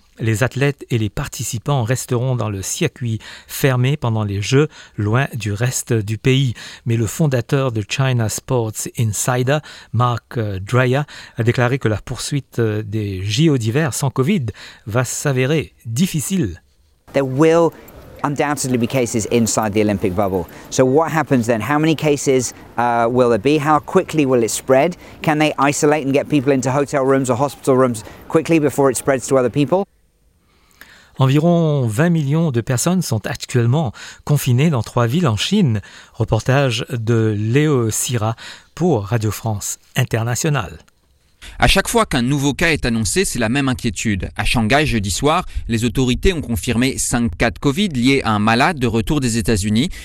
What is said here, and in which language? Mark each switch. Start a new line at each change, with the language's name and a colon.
French: Les athlètes et les participants resteront dans le circuit fermé pendant les Jeux, loin du reste du pays. Mais le fondateur de China Sports Insider, Mark Dreyer, a déclaré que la poursuite des JO d'hiver sans Covid va s'avérer difficile.
English: There will undoubtedly be cases inside the Olympic bubble. So what happens then? How many cases will there be? How quickly will it spread? Can they isolate and get people into hotel rooms or hospital rooms quickly before it spreads to other people?
French: Environ 20 millions de personnes sont actuellement confinées dans trois villes en Chine. Reportage de Léo Sira pour Radio France Internationale. À chaque fois qu'un nouveau cas est annoncé, c'est la même inquiétude. À Shanghai, jeudi soir, les autorités ont confirmé 5 cas de Covid liés à un malade de retour des États-Unis.